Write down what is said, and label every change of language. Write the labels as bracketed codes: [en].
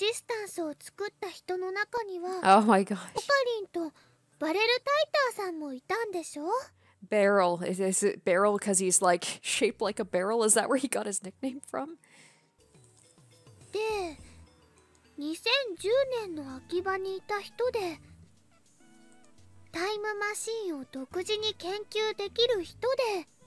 [ja] スズさんがいたレジスタンスを作った人の中には、 [en] Oh my gosh. [ja] オカリンとバレルタイターさんもいたんでしょ? [en] Barrel. Is it barrel because he's like shaped like a barrel? Is that where he got his nickname from? [ja] で、 2010年の秋葉にいた人で、 タイムマシンを独自に研究できる人で、